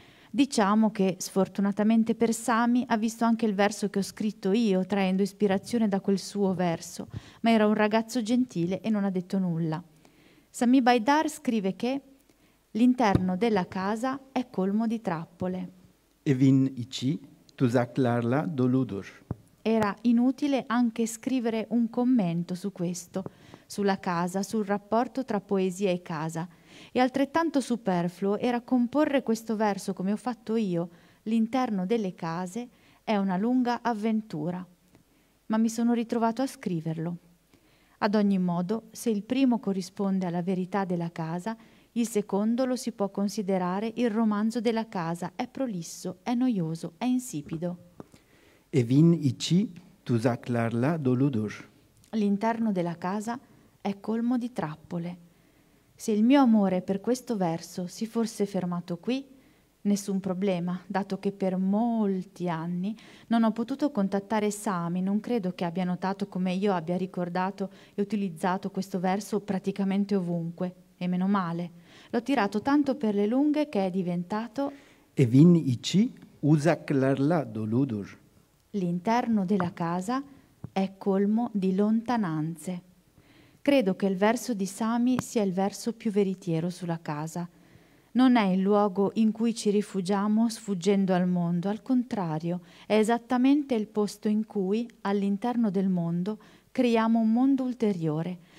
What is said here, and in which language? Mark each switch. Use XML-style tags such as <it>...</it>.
<it>Diciamo che, sfortunatamente per Sami, ha visto anche il verso che ho scritto io, traendo ispirazione da quel suo verso, ma era un ragazzo gentile e non ha detto nulla. Sami Baydar scrive che l'interno della casa è colmo di trappole.</it> <tr>Evin içi tuzaklarla doludur.</tr> <it>Era inutile anche scrivere un commento su questo, sulla casa, sul rapporto tra poesia e casa. E altrettanto superfluo era comporre questo verso come ho fatto io. L'interno delle case è una lunga avventura. Ma mi sono ritrovato a scriverlo. Ad ogni modo, se il primo corrisponde alla verità della casa, il secondo lo si può considerare il romanzo della casa. È prolisso, è noioso, è insipido.</it> <tr>Evin içi tuzaklarla doludur.</tr> <it>L'interno della casa è colmo di trappole. Se il mio amore per questo verso si fosse fermato qui, nessun problema, dato che per molti anni non ho potuto contattare Sami, non credo che abbia notato come io abbia ricordato e utilizzato questo verso praticamente ovunque, e meno male. L'ho tirato tanto per le lunghe che è diventato...</it> <tr>Evin ici usaklarla doludur.</tr> <it>L'interno della casa è colmo di lontananze. Credo che il verso di Sami sia il verso più veritiero sulla casa. Non è il luogo in cui ci rifugiamo sfuggendo al mondo, al contrario, è esattamente il posto in cui, all'interno del mondo, creiamo un mondo ulteriore.</it>